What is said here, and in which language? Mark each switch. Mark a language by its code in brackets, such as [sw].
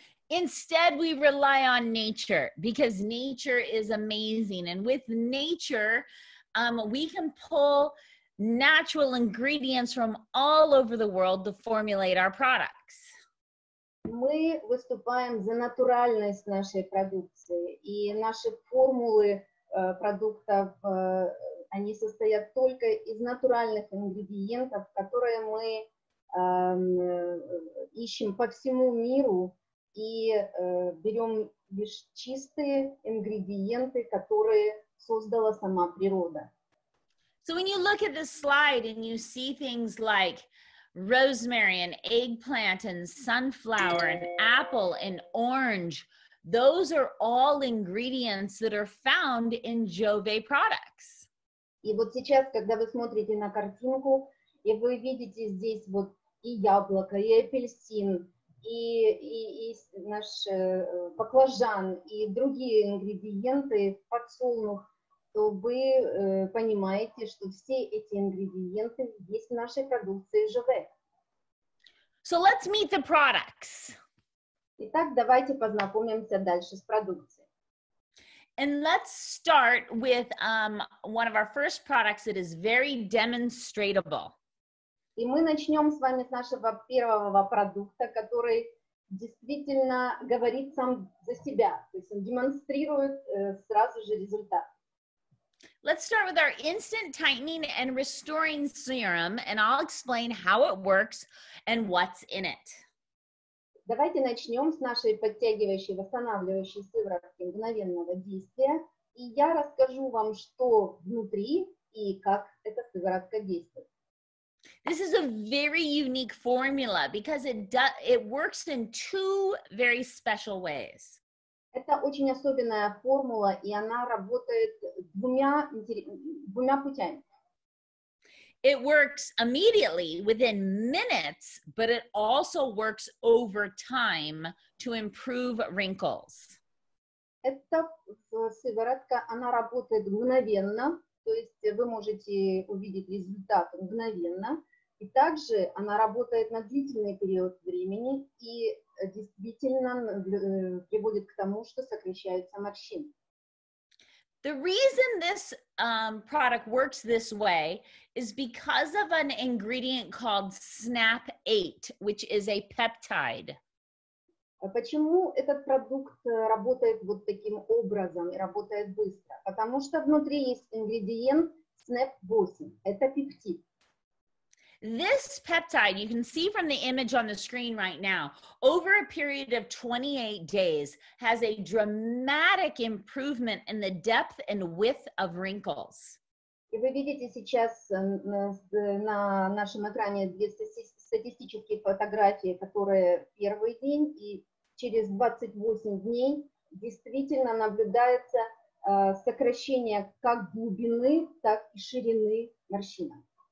[en] Instead, we rely on nature, because nature is amazing. And with nature, we can pull natural ingredients from all over the world to formulate our products. [ru] Мы выступаем за натуральность нашей продукции, и наши формулы продуктов, они состоят только из натуральных ингредиентов, которые мы ищем по всему миру и берем лишь чистые ингредиенты, которые создала сама природа. [en] So when you look at this slide and you see things like rosemary and eggplant and sunflower and apple and orange, those are all ingredients that are found in Jouve products. [ru] И вот сейчас, когда вы смотрите на картинку, и вы видите здесь вот и яблоко, и апельсин, и наш баклажан, и другие ингредиенты, подсолнух, то вы понимаете, что все эти ингредиенты есть в нашей продукции Jouve. [en] So let's meet the products. [ru] Итак, давайте познакомимся дальше с продукцией. [en] And let's start with one of our first products that is very demonstrable. [ru] И мы начнем с вами с нашего первого продукта, который действительно говорит сам за себя, то есть он демонстрирует сразу же результат. [en] Let's start with our instant tightening and restoring serum, and I'll explain how it works and what's in it. [ru] Давайте начнем с нашей подтягивающей, восстанавливающей сыворотки мгновенного действия, и я расскажу вам, что внутри и как эта сыворотка действует. [en] This is a very unique formula because it works in two very special ways. [ru] Это очень особенная формула, и она работает двумя путями. [en] It works immediately, within minutes, but it also works over time to improve wrinkles. [ru] Эта сыворотка, она работает мгновенно, то есть вы можете увидеть результат мгновенно. И также она работает на длительный период времени и действительно приводит к тому, что сокращаются морщины. [en] The reason this product works this way is because of an ingredient called SNAP8, which is a peptide. [ru] Почему этот продукт работает вот таким образом и работает быстро? Потому что внутри есть ингредиент SNAP8, это пептид. [en] This peptide, you can see from the image on the screen right now, over a period of 28 days, has a dramatic improvement in the depth and width of wrinkles. [ru] И вы видите сейчас на нашем экране две статистические фотографии, которые первый день, и через 28 дней действительно наблюдается сокращение как глубины, так и ширины морщинок.